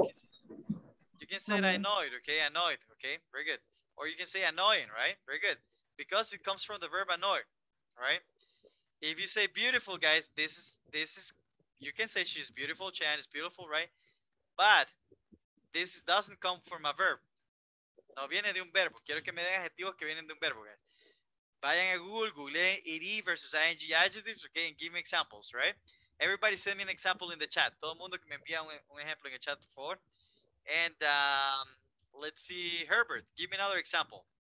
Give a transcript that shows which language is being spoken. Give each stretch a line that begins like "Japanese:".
English: Okay? You can say annoyed, okay? Annoyed, okay? Very good. Or you can say annoying, right? Very good. Because it comes from the verb annoyed, right? If you say beautiful, guys, this is, you can say she's beautiful, Chan is beautiful, right? But this doesn't come from a verb.
Spanish: No viene de un verbo. Quiero que me den adjetivos que vienen de un verbo, guys. Vayan a Google,
English: Google ed versus ing adjectives, okay, and give me examples, right? Everybody send me an example in the chat.
Spanish: Todo el mundo que me envía un ejemplo en el chat, por favor.
English: And let's see, Herbert, give me another example.